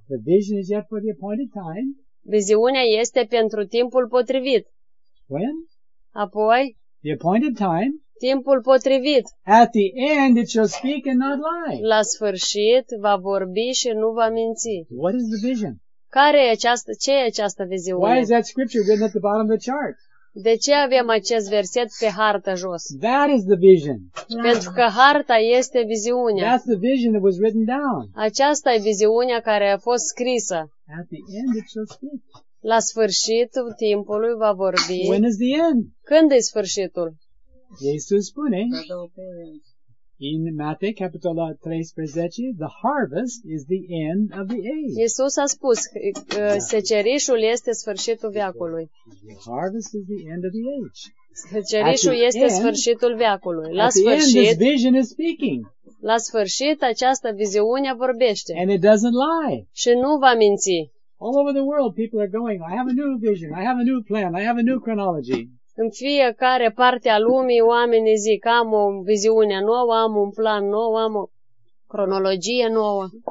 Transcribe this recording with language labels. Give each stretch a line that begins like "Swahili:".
English: The vision is yet for the appointed time.
Romanian: Viziunea este pentru timpul potrivit.
English: When?
Romanian: Apoi.
English: The appointed time.
Romanian: Timpul potrivit.
English: At the end it shall speak and not lie.
Romanian: La sfârșit va vorbi și nu va minți.
English: What is the vision?
Romanian: Care e această, ce e această viziune?
English: Why is that scripture written at the bottom of the chart?
Romanian: De ce avem acest verset pe hartă jos?
English: That is the vision.
Romanian: Pentru că harta este viziunea.
English: That's the vision that was written down.
Romanian: Aceasta e viziunea care a fost scrisă.
English: At the end it shall speak.
Romanian: La sfârșitul timpului va vorbi.
English: When is the end?
Romanian: Când e sfârșitul? Iisus spune in Matei, capitolul 13,
English: the harvest is the end of the age.
Romanian: Iisus a spus că secerișul este sfârșitul veacului.
English: The harvest is the end of the age.
Romanian: Secerișul este sfârșitul veacului. La sfârșit,
English: this vision is speaking.
Romanian: La sfârșit, această viziune vorbește.
English: And it doesn't lie.
Romanian: Și nu va minți.
English: All over the world people are going, I have a new vision, I have a new plan, I have a new chronology.
Romanian: În fiecare parte a lumii oamenii zic, am o viziune nouă, am un plan nou, am o cronologie nouă.